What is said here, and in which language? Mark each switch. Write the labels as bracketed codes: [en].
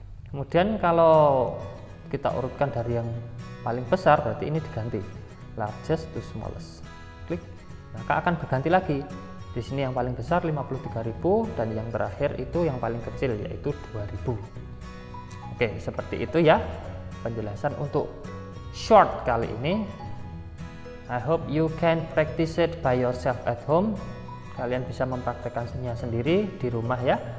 [id] Kemudian kalau kita urutkan dari yang paling besar, berarti ini diganti [en] largest to smallest. [id] Klik. Maka akan berganti lagi. Di sini yang paling besar 53.000 dan yang terakhir itu yang paling kecil yaitu 2000. Oke, seperti itu ya penjelasan untuk short kali ini. [en] I hope you can practice it by yourself at home. [id] Kalian bisa mempraktekannya sendiri di rumah ya.